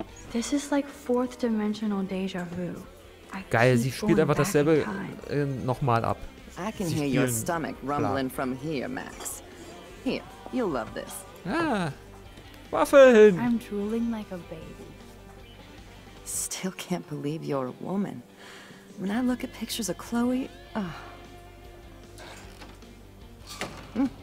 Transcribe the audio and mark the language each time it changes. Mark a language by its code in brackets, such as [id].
[en] This is like fourth dimensional deja vu. [de] Geil, sie spielt einfach dasselbe nochmal ab. [en] I can hear your stomach rumbling from here, Max. Here, you'll love this. [de] Ah, Waffeln! [en] I'm drooling like a baby. Still can't believe you're a woman. When I look at pictures of Chloe, ugh.